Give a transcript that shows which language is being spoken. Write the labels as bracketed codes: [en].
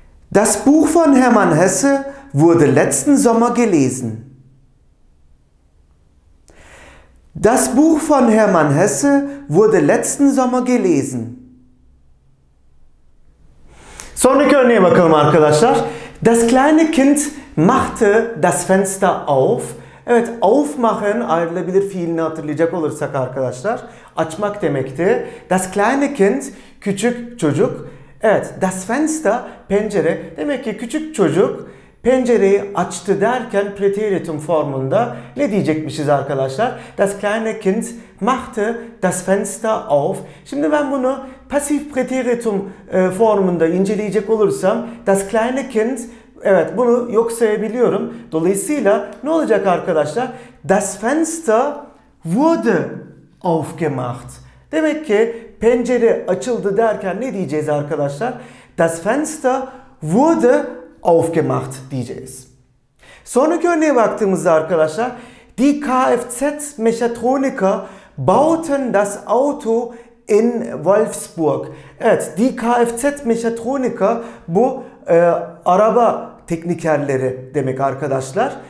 [de] Das Buch von Hermann Hesse wurde letzten Sommer gelesen. Das Buch von Hermann Hesse wurde letzten Sommer gelesen. [tr] Sonraki örneğe bakalım arkadaşlar. [de] Das kleine Kind machte das Fenster auf. [tr] Evet, aufmachen ayrılabilir fiilini hatırlayacak olursak arkadaşlar, açmak demekti. [de] Das kleine Kind, [tr] küçük çocuk. Evet, [de] das Fenster, [tr] pencere. Demek ki küçük çocuk pencereyi açtı derken Präteritum formunda ne diyecekmişiz arkadaşlar? [de] Das kleine Kind machte das Fenster auf. [tr] Şimdi ben bunu pasif Präteritum formunda inceleyecek olursam [de] das kleine Kind, [tr] evet, bunu yok sayabiliyorum. Dolayısıyla ne olacak arkadaşlar? [de] Das Fenster wurde aufgemacht. [tr] Demek ki pencere açıldı derken ne diyeceğiz arkadaşlar? [de] Das Fenster wurde aufgemacht [tr] diyeceğiz. Sonraki örneğe baktığımızda arkadaşlar, [de] die Kfz-Mechatroniker bauten das Auto in Wolfsburg. [tr] Evet, [de] die Kfz-Mechatroniker, [tr] bu araba teknikerleri demek arkadaşlar.